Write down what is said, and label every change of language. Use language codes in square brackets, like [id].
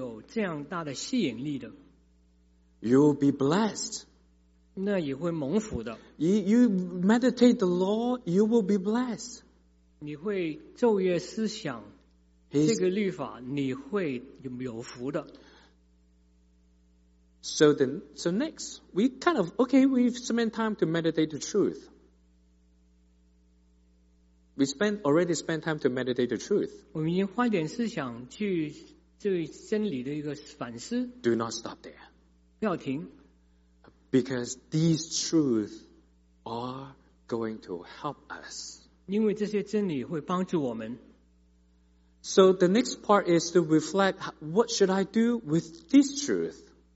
[zh] 这节圣经里面告诉我们这个耶和华的律法是有这样大的吸引力的。 [en] You'll be blessed. [zh] 那也会蒙福的。 [en] You meditate the law, you will be blessed. [zh] 你会昼夜思想这个律法，你会有福的。 [en] So next, we kind of, okay, we've spent time to meditate the truth. We already spent time to meditate the truth. [zh] 我们已经花点思想去对真理的一个反思。 [en] Do not stop there. [zh] 不要停。 [en] Because these truths are going to help us. [zh] 因为这些真理会帮助我们。 [en] So the next part is to reflect, what should I do with this truth?